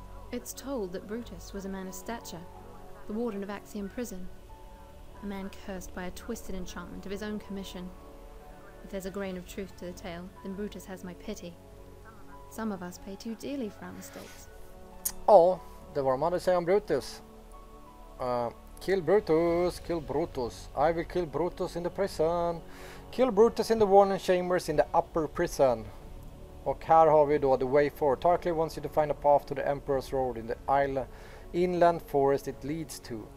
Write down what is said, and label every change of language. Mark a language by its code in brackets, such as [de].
[en] It's told that Brutus was a man of stature. The warden of Axiom Prison. A man cursed by a twisted enchantment of his own commission. If there's a grain of truth to the tale, then Brutus has my pity. Some of us pay too dearly for our mistakes. [sv] Oh, det var de hade att säga om Brutus. [en] Kill Brutus, kill Brutus. I will kill Brutus in the prison. Kill Brutus in the warning chambers in the upper prison. [sv] Och här har vi då [en] the way forward. Tarkly wants you to find a path to the Emperor's Road in the island. Inland Forest it leads to.